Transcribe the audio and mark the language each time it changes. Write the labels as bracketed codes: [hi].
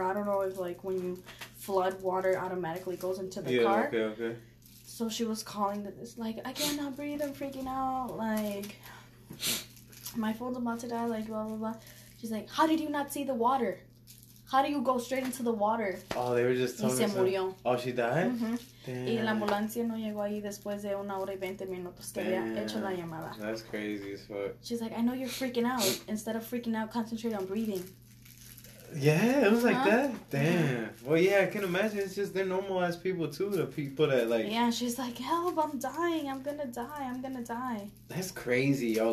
[en] Or I don't know if like when you flood, water automatically goes into the car. Yeah, okay. So she was calling, this like, I cannot breathe. I'm freaking out. Like, my phone's about to die. Like, blah, blah, blah. She's like, how did you not see the water? How do you go straight into the water? Oh, they were just telling me. [es] Y se murió. [en] Oh, she died? Mm-hmm. [es] Damn. Y la ambulancia no llegó ahí después de una hora y 20 minutos que había hecho la llamada. [en] That's crazy as fuck. She's like, I know you're freaking out. Instead of freaking out, concentrate on breathing. Yeah, it was like that? Damn. Mm-hmm. Well, yeah, I can imagine. It's just, they're normal-ass people, too. The people that, like... Yeah, she's like, help, I'm dying. I'm gonna die. That's crazy, yo.